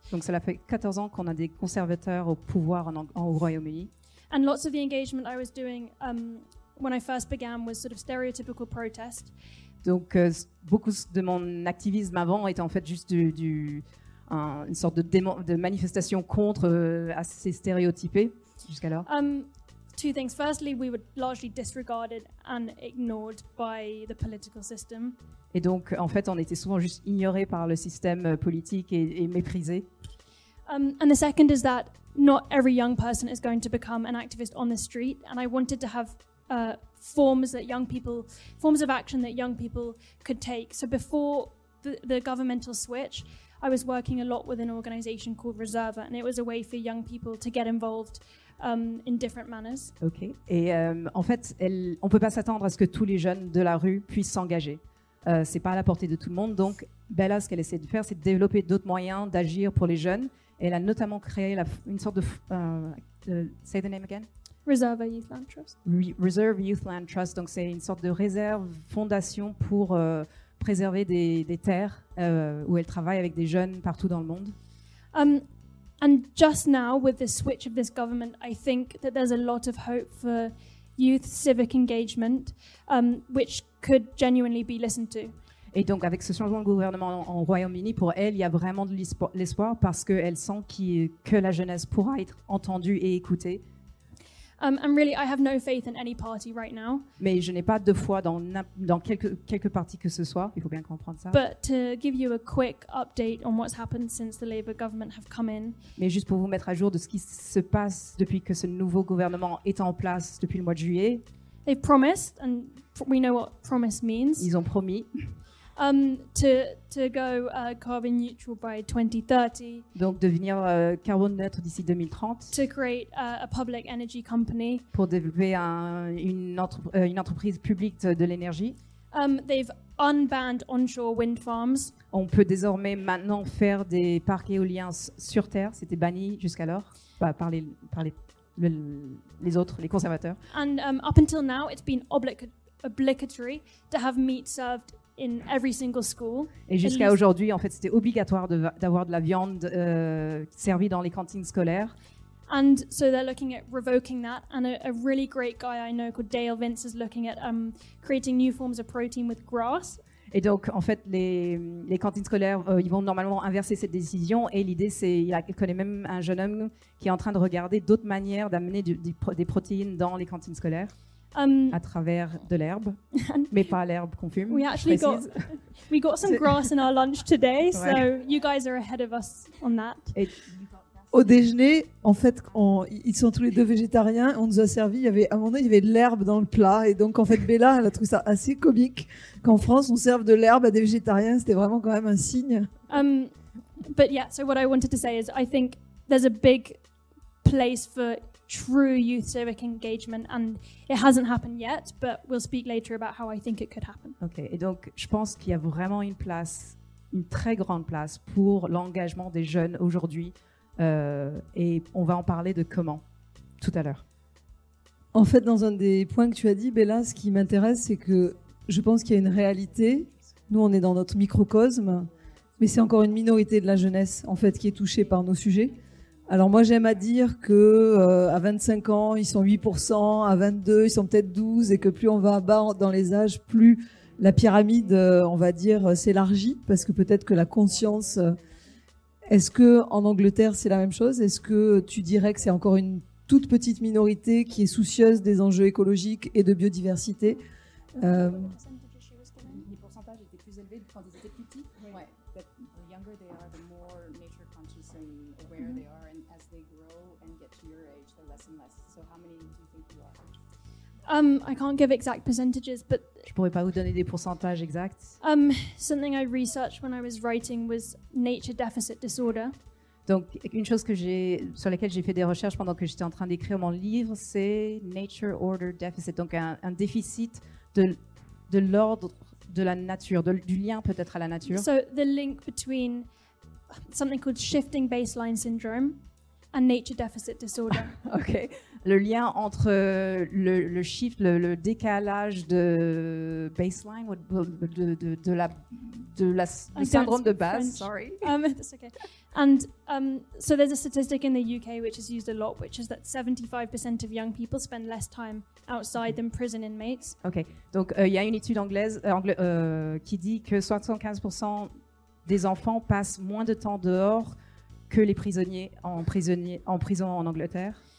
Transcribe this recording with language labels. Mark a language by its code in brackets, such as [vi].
[fr] Donc cela fait 14 ans qu'on a des conservateurs au pouvoir au Royaume-Uni. [en] And lots of the engagement I was doing when I first began was sort of stereotypical protest. [fr] Donc beaucoup de mon activisme avant était en fait juste une sorte de manifestation contre assez stéréotypée jusqu'alors. [en] Two things. Firstly, we were largely disregarded and ignored by the political system. [fr] Et donc, en fait, on était souvent juste ignorés par le système politique et méprisés. [en] And the second is that not every young person is going to become an activist on the street. And I wanted to have forms of action that young people could take. So before the governmental switch, I was working a lot with an organization called Reserva, and it was a way for young people to get involved. In different manners. Ok. [fr] Et en fait, on ne peut pas s'attendre à ce que tous les jeunes de la rue puissent s'engager. Ce n'est pas à la portée de tout le monde. Donc, Bella, ce qu'elle essaie de faire, c'est de développer d'autres moyens d'agir pour les jeunes. Et elle a notamment créé une sorte de... [en] say the name again. Reserva Youth Land Trust. Reserve Youth Land Trust. [fr] Donc, c'est une sorte de réserve, fondation pour préserver des terres où elle travaille avec des jeunes partout dans le monde. [en] And just now, with the switch of this government, I think that there's a lot of hope for youth civic engagement, which could genuinely be listened to. [fr] Et donc, avec ce changement de gouvernement en Royaume-Uni, pour elle, il y a vraiment de l'espoir parce qu'elle sent que la jeunesse pourra être entendue et écoutée. [en] And really, I have no faith in any party right now. [fr] Mais je n'ai pas de foi dans quelques partis que ce soit. Il faut bien comprendre ça. [en] But to give you a quick update on what's happened since the Labour government have come in. [fr] Mais juste pour vous mettre à jour de ce qui se passe depuis que ce nouveau gouvernement est en place depuis le mois de juillet. [en] They've promised, and we know what promise means. [fr] Ils ont promis. [en] To go carbon neutral by 2030. [fr] Donc devenir carbone neutre d'ici 2030. [en] To create a public energy company. [fr] Pour développer une entreprise publique de l'énergie. [en] They've unbanned onshore wind farms. [fr] On peut désormais maintenant faire des parcs éoliens sur terre. C'était banni jusqu'alors par les autres, les conservateurs. [en] And up until now, it's been obligatory to have meat served. In every single school. [fr] Et jusqu'à aujourd'hui, en fait, c'était obligatoire d'avoir de la viande servie dans les cantines scolaires. [en] And so they're looking at revoking that. And a really great guy I know called Dale Vince is looking at creating new forms of protein with grass. [fr] Et donc, en fait, les cantines scolaires, ils vont normalement inverser cette décision. Et l'idée, c'est, il connaît même un jeune homme qui est en train de regarder d'autres manières d'amener des protéines dans les cantines scolaires. À travers de l'herbe, mais pas l'herbe qu'on fume. [en] We got some grass in our lunch today, ouais. So you guys are ahead of us on that. [fr] Et au déjeuner, en fait, ils sont tous les deux végétariens. On nous a servi. À un moment donné, il y avait de l'herbe dans le plat, et donc en fait, Bella, elle a trouvé ça assez comique qu'en France, on serve de l'herbe à des végétariens. C'était vraiment quand même un signe. [en] But yeah, so what I wanted to say is, I think there's a big place for true youth civic engagement, and it hasn't happened yet, but we'll speak later about how I think it could happen. [fr] Okay, et donc je pense qu'il y a vraiment une place, une très grande place pour l'engagement des jeunes aujourd'hui, et on va en parler de comment tout à l'heure. En fait, dans un des points que tu as dit, Bella, ce qui m'intéresse, c'est que je pense qu'il y a une réalité. Nous, on est dans notre microcosme, mais c'est encore une minorité de la jeunesse en fait qui est touchée par nos sujets. Alors moi j'aime à dire que à 25 ans ils sont 8%, à 22 ils sont peut-être 12, et que plus on va bas dans les âges, plus la pyramide, on va dire, s'élargit, parce que peut-être que la conscience. Est-ce que en Angleterre c'est la même chose? Est-ce que tu dirais que c'est encore une toute petite minorité qui est soucieuse des enjeux écologiques et de biodiversité? Les pourcentages étaient plus élevés quand ils étaient petits. Ouais. [en] But the younger they are, the more nature conscious and aware they are. And as they grow and get to your age, they're less and less. So how many do you think you are? I can't give exact percentages, but [fr] je pourrais pas vous donner des pourcentages exacts. [en] Something I researched when I was writing was nature deficit disorder. [fr] Donc une chose que j'ai, sur laquelle j'ai fait des recherches pendant que j'étais en train d'écrire mon livre, c'est nature order deficit, donc un déficit de l'ordre de la nature, du lien peut-être à la nature. [en] So the link between something called shifting baseline syndrome and nature deficit disorder. Okay. [fr] Le lien entre le shift, le décalage de baseline, le syndrome de base. [en] Sorry. That's okay. And so there's a statistic in the UK which is used a lot, which is that 75% of young people spend less time outside than prison inmates. Okay. [fr] Donc il y a une étude anglaise qui dit que 75% des enfants passent moins de temps dehors que les prisonniers en prison en Angleterre.